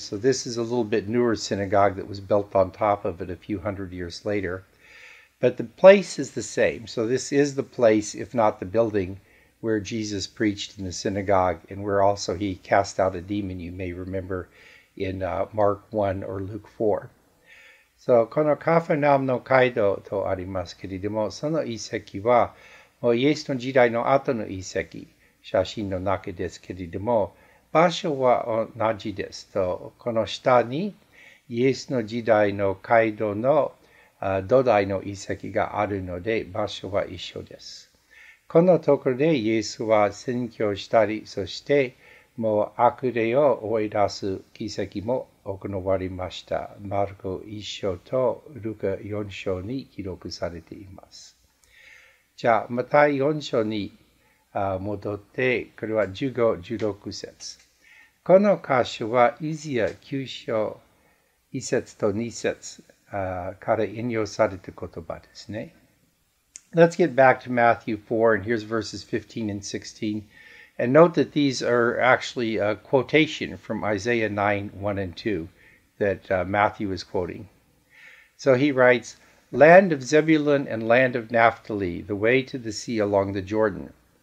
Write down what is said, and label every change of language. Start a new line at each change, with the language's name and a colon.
English: So this is a little bit newer synagogue that was built on top of it a few hundred years later. But the place is the same. So this is the place, if not the building, where Jesus preached in the synagogue and where also he cast out a demon, you may remember, in Mark 1 or Luke 4. So,
Japanese: この Capernaum の街道とありますけれども、その遺跡はもうイエスの時代の後の遺跡、写真の中ですけれども、場所は同じですと、この下にイエスの時代の街道の土台の遺跡があるので、場所は一緒です。このところでイエスは宣教したり、そしてもう悪霊を追い出す奇跡も行われました。マルコ1章とルカ4章に記録されています。じゃあ、また4章に戻って、これは15、16節。この箇所はイザヤ9章1節と2節から引用された言葉ですね。
English: Let's get back to Matthew 4, and here's verses 15 and 16. And note that these are actually a quotation from Isaiah 9, 1 and 2 that Matthew is quoting. So he writes, Land of Zebulun and land of Naphtali, the way to the sea along the Jordan.